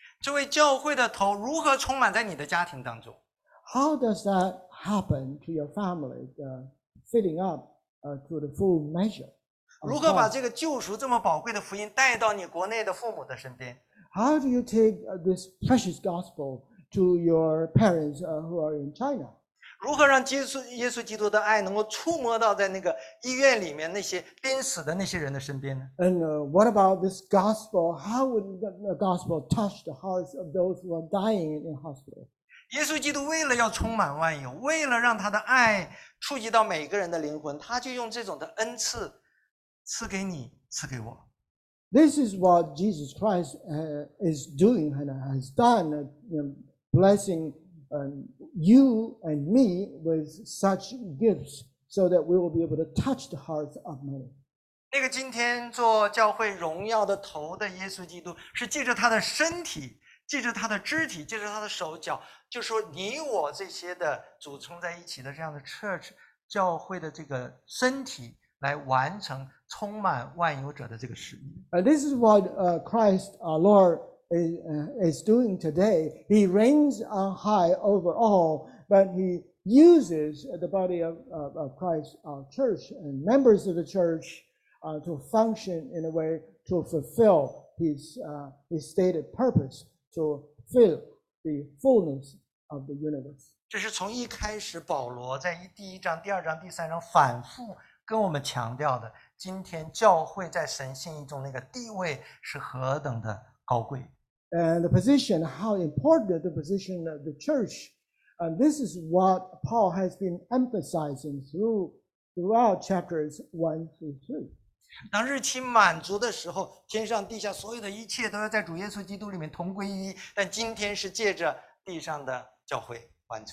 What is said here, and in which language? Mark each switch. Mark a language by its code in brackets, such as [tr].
[zh] 这位教会的头如何充满在你的家庭当中？ [en] How does that happen to your family, filling up to the full measure? [zh] 如何把这个救赎这么宝贵的福音带到你国内的父母的身边？ [en] How do you take this precious gospel to your parents who are in China? [zh] 如何让耶稣基督的爱能够触摸到在那个医院里面那些濒死的那些人的身边呢？ [en] And what about this gospel? How would the gospel touch the hearts of those who are dying in hospital? [zh] 耶稣基督为了要充满万有，为了让他的爱触及到每个人的灵魂，他就用这种的恩赐赐给你，赐给我。 [en] This is what Jesus Christ is doing and has done, blessing you and me with such gifts so that we will be able to touch the hearts of many. [zh] 那个今天做教会荣耀的头的耶稣基督是借着他的身体，借着他的肢体，借着他的手脚，就说你我这些的组成在一起的这样的 church 教会的这个身体来完成充满万有者的这个使命。 [en] This is what Christ our Lordis doing today. He reigns on high over all, but he uses the body of Christ, our church, and members of the church to function in a way to fulfill his stated purpose to fill the fullness of the universe. [zh] 这是从一开始保罗在第一章、第二章、第三章反复跟我们强调的，今天教会在神心意中那个地位是何等的高贵。 [en] And the position, how important the position of the church. And this is what Paul has been emphasizing throughout chapters 1 through 3. [zh] 当日期满足的时候，天上地下所有的一切都要在主耶稣基督里面同归一，但今天是借着地上的教会完成。